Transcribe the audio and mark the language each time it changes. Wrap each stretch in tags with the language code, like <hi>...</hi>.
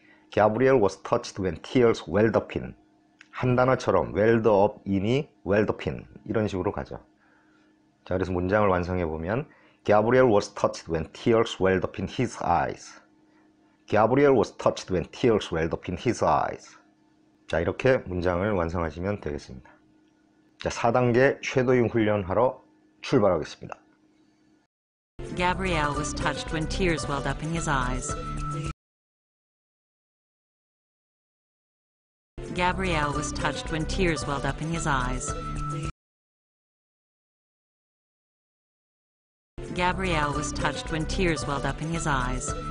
<en>Gabriel was touched when tears welled up in.</en> <ko>한 단어처럼</ko> <en>welled up in</en> <ko>이 welled up in 이런 식으로 가죠. 자, 그래서 문장을 완성해 보면</ko> <en>Gabriel was touched when tears welled up in his eyes. Gabriel was touched when tears welled up in his eyes.</en> <ko>자, 이렇게 문장을 완성하시면 되겠습니다. 자, 4단계 섀도잉 훈련하러 출발하겠습니다.</ko> <en>Gabriel was touched when tears welled up in his eyes. Gabriel was touched when tears welled up in his eyes. Gabriel was touched when tears welled up in his eyes.</en>